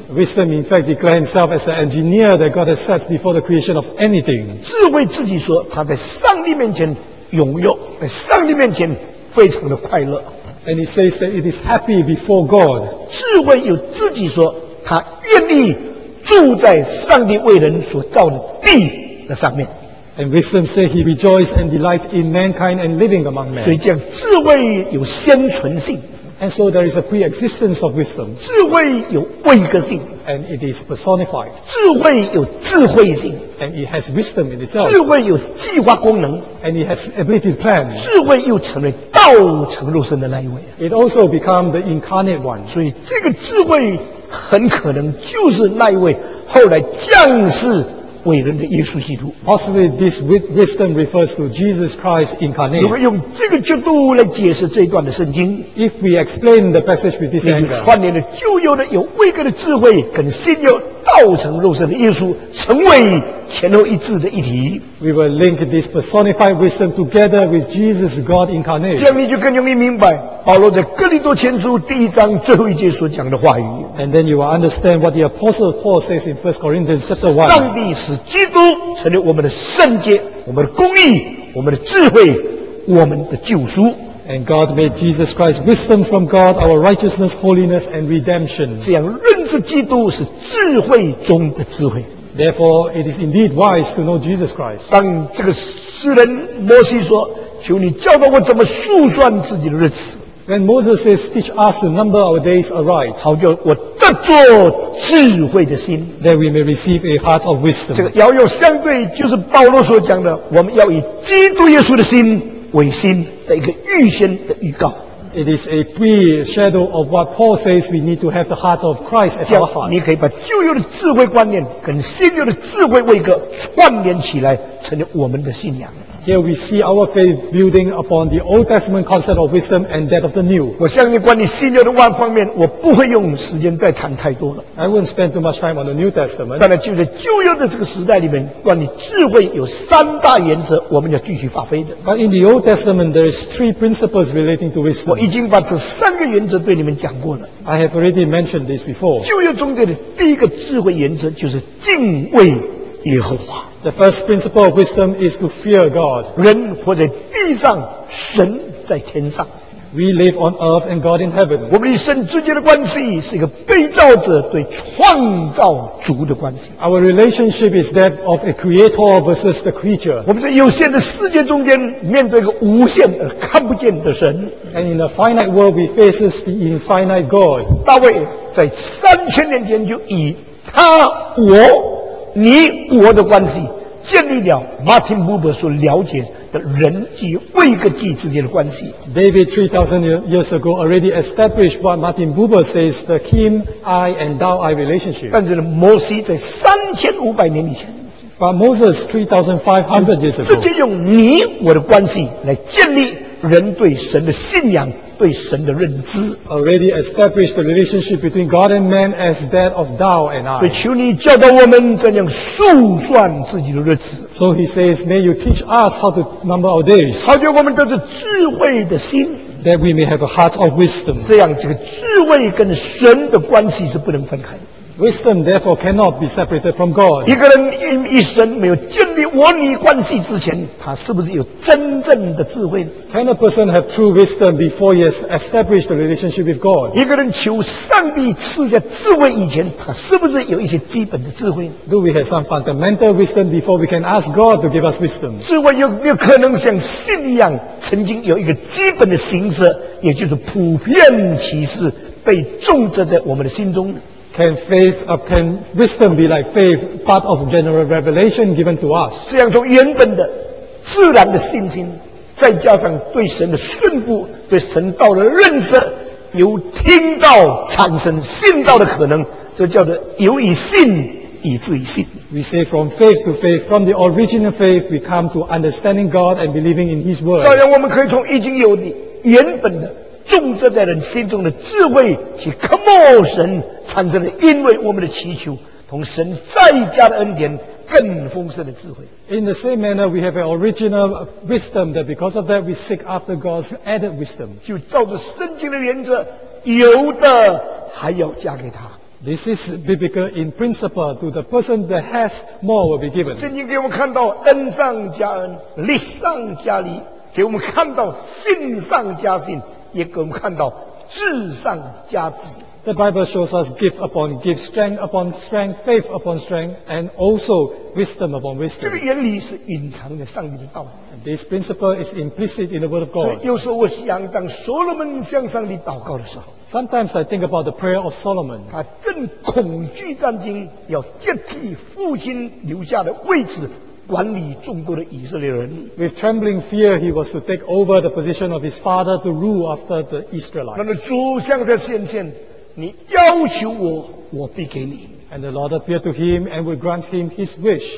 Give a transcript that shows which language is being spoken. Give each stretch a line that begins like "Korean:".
English: Wisdom in fact declares himself as the engineer that God has set before the creation of anything.
Chinese: 智慧自己说，它在上帝面前踊跃，在上帝面前非常的快乐。
English: And he says that it is happy before God.
Chinese: 智慧有自己说，他愿意住在上帝为人所造的地的上面。
English: And wisdom say he rejoiced and delight in mankind and living among men.
Chinese: 所以这样智慧有先存性。
English: And so there is a pre-existence of wisdom.
Chinese: 智慧有位格性。
English: And it is personified.
Chinese: 智慧有智慧性。
English: And it has wisdom in itself.
Chinese: 智慧有计划功能。
English: And it has ability to plan.
Chinese: 智慧又成为道成肉身的那一位。
English: It also become the incarnate one.
Chinese: 所以这个智慧很可能就是那一位后来降世伟人的耶稣基督。
English: Possibly this wisdom refers to Jesus Christ incarnate.
Chinese: 如果用这个角度来解释这一段的圣经，
English: If we explain the passage with this angle,
Chinese: 串联了旧约的有位格的智慧跟新约道成肉身的耶稣，成为前后一致的一体。
English: We will link this personified wisdom together with Jesus God incarnate.
Chinese: 这样你就更容易明白保罗在哥林多前书第一章最后一节所讲的话语。
English: And then you will understand what the Apostle Paul says in 1 Corinthians chapter 1.
Chinese: 上帝使基督成为我们的圣洁，我们的公义，我们的智慧，我们的救赎。
English: And God made Jesus Christ wisdom from God, our righteousness, holiness, and redemption.
Chinese: 这样认识基督是智慧中的智慧。
English: Therefore, it is indeed wise to know Jesus Christ.
Chinese: 当这个诗人摩西说，求你教导我怎么数算自己的日子。
English: When Moses says, teach us to number our days aright.
Chinese: 好叫我得着智慧的心。
English: That we may receive a heart of wisdom.
Chinese: 这个遥遥相对就是保罗所讲的，我们要以基督耶稣的心为心的一个预先的预告。
English: It is a pre-shadow of what Paul says we need to have the heart of Christ as our heart.
Chinese: 你可以把旧约的智慧观念跟新约的智慧位格串联起来，成为我们的信仰。
English: Here we see our faith building upon the Old Testament concept of wisdom and that of the New.
Chinese: 我相信关于新约的万方面，我不会用时间再谈太多了。
English: I won't spend too much time on the New Testament.
Chinese: 但就在旧约的这个时代里面，关于智慧有三大原则，我们要继续发挥的。
English: But in the Old Testament, there is three principles relating to wisdom.
Chinese: 我已经把这三个原则对你们讲过了。
English: I have already mentioned this before.
Chinese: 旧约中间的第一个智慧原则就是敬畏耶和华。
English: The first principle of wisdom is to fear God.
Chinese: 人活在地上，神在天上。
English: We live on earth and God in heaven.
Chinese: 我们与神之间的关系是一个被造者对创造主的关系。
English: Our relationship is that of a creator versus the creature.
Chinese: 我们在有限的世界中间面对一个无限而看不见的神。
English: And in a finite world, we face the infinite God.
Chinese: 大卫在三千年前就以他我你我的关系建立了 Martin Buber 所了解的人及位格之间的关系。
English: David 3000 years ago already established what Martin Buber says the him, I and thou I relationship.
Chinese: 但是摩西在3500年以前，
English: But Moses 3500 years ago
Chinese: 直接用你我的关系来建立人对神的信仰，对神的认知。
English: Already established the relationship between God and man as that of thou and I.
Chinese: 所以求你教导我们怎样数算自己的日子。
English: So he says, may you teach us how to number our days.
Chinese: 好叫我们得着智慧的心。
English: That we may have a heart of wisdom.
Chinese: 这样这个智慧跟神的关系是不能分开的。
English: Wisdom therefore cannot be separated from God.
Chinese: 一个人一生没有建立我你关系之前，他是不是有真正的智慧？
English: Can a person have true wisdom before he has established the relationship with God?
Chinese: 一个人求上帝赐下智慧以前，他是不是有一些基本的智慧？
English: Do we have some fundamental wisdom before we can ask God to give us wisdom?
Chinese: 智慧有没有可能像信仰曾经有一个基本的形式，也就是普遍启示被种植在我们的心中？
English: Can faith or can wisdom be like faith, part of general revelation given to us?
Chinese: 这样从原本的自然的信心，再加上对神的顺服，对神道的认识，由听到产生信道的可能，这叫做由以信以至于信。
English: We say from faith to faith, from the original faith, we come to understanding God and believing in His word.
Chinese: 当然我们可以从已经有的原本的种植在人心中的智慧去渴慕神，产生了因为我们的祈求同神再加的恩典更丰盛的智慧。
English: In the same manner, we have an original wisdom that because of that we seek after God's added wisdom.
Chinese: 就照着圣经的原则，有的还要加给他。
English: This is biblical in principle. To the person that has more will be given.
Chinese: 圣经给我们看到恩上加恩，礼上加礼，给我们看到信上加信，也给我们看到智上加智。
English: The Bible shows us gift upon gift, strength upon strength, faith upon strength, and also wisdom upon wisdom.
Chinese: 这个原理是隐藏在上帝的道。
English: And this principle is implicit in the Word of God.
Chinese: 所以有时候我想，当所罗门向上帝祷告的时候
English: ，Sometimes I think about the prayer of Solomon.
Chinese: 他正恐惧战惊，要接替父亲留下的位置。管理众多的以色列人。
English: With trembling fear, he was to take over the position of his father to rule after the Israelites.
Chinese: 那么主向在显现，你要求我，我必给你。
English: And the Lord appeared to him and would grant him his wish.